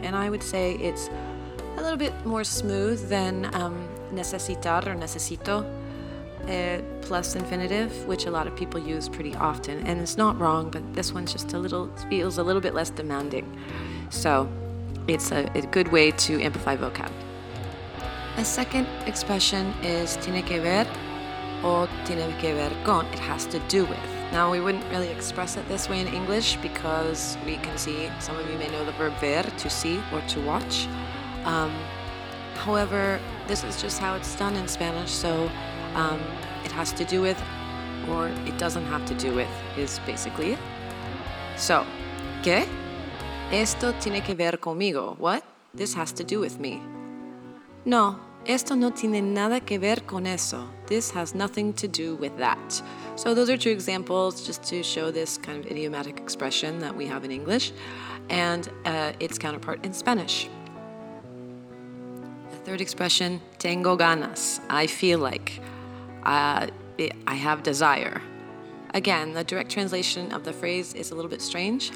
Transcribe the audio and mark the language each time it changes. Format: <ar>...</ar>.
<en>And I would say it's a little bit more smooth than necesitar or necesito. Plus infinitive, which a lot of people use pretty often. And it's not wrong, but this one feels a little bit less demanding. So it's a good way to amplify vocab. A second expression is</en> <es>tiene que ver o tiene que ver con.</es> <en>It has to do with. Now, we wouldn't really express it this way in English because we can see, some of you may know the verb ver, to see or to watch. However, this is just how it's done in Spanish.</en> <es>So</es> <en>it has to do with, or it doesn't have to do with, is basically it. So,</en> <es>¿qué? Esto tiene que ver conmigo.</es> <en>What? This has to do with me.</en> <es>No, esto no tiene nada que ver con eso.</es> <en>This has nothing to do with that. So those are two examples just to show this kind of idiomatic expression that we have in English and its counterpart in Spanish. The third expression,</en> <es>tengo ganas,</es> <en>I feel like. I have desire. Again, the direct translation of the phrase is a little bit strange.</en>